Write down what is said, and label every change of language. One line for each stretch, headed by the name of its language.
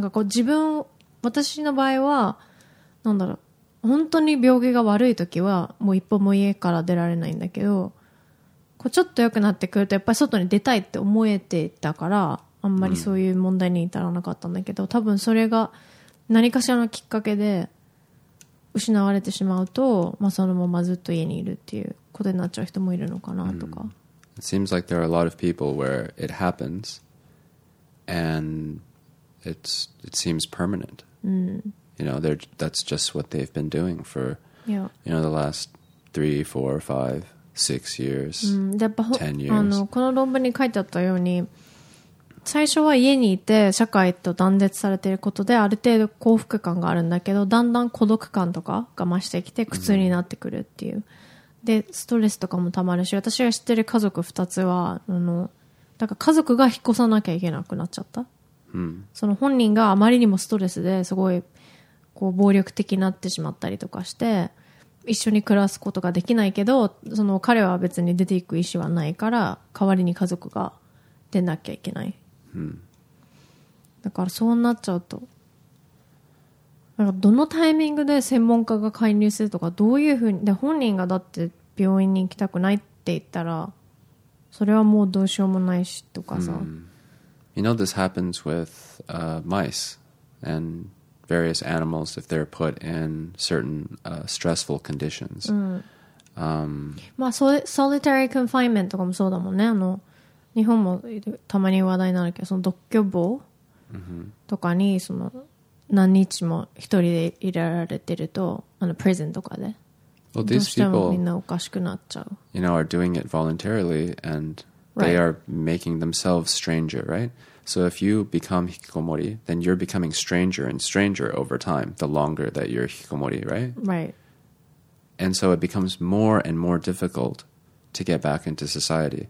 Japanese: なんかこう自分私の場合はなんだろう本当に病気が悪い時はもう一歩も家から出られないんだけど、こうちょっと良くなってくるとやっぱり外に出たいって思えていたから。あんまりそういう問題に至らなかったんだけど、多分それが何かしらのきっかけで失われてしまうと、まあ、そのままずっと家にいるっていうことになっちゃう人もいるのかなとか。
English: It seems like there are a lot of people where it happens and it seems permanent. You know, that's just what they've been doing for, you know, the last 3, 4, 5, 6 years, 10 years.
Japanese: この論文に書いてあったように最初は家にいて社会と断絶されていることである程度幸福感があるんだけど、だんだん孤独感とかが増してきて苦痛になってくるっていう、でストレスとかもたまるし、私が知ってる家族2つはだから家族が引っ越さなきゃいけなくなっちゃった、その本人があまりにもストレスですごいこう暴力的になってしまったりとかして一緒に暮らすことができないけど、その彼は別に出ていく意思はないから代わりに家族が出なきゃいけない。だからそうなっちゃうと、なんかどのタイミングで専門家が介入するとか、どういうふうに、で本人がだって病院に行きたくないって言ったら、それはもうどうしようもないしとかさ。
English: You know, this happens with mice and various animals if they're put in certain stressful conditions.
Japanese: まあ、
English: solitary confinement
Japanese: とかもそうだもんね。日本もたまに話題になるけど、その独居房とかにその何日も一人でいられてると、あのプリズンとかで、
English: well, these
Japanese: どうしてもみんなおかしくなっちゃう。
English: You know, are doing it voluntarily and they are making themselves stranger, right? So if you become hikikomori, then you're becoming stranger and stranger over time, the longer that you're hikikomori, right? Right. And so it becomes more and more difficultto get back into society.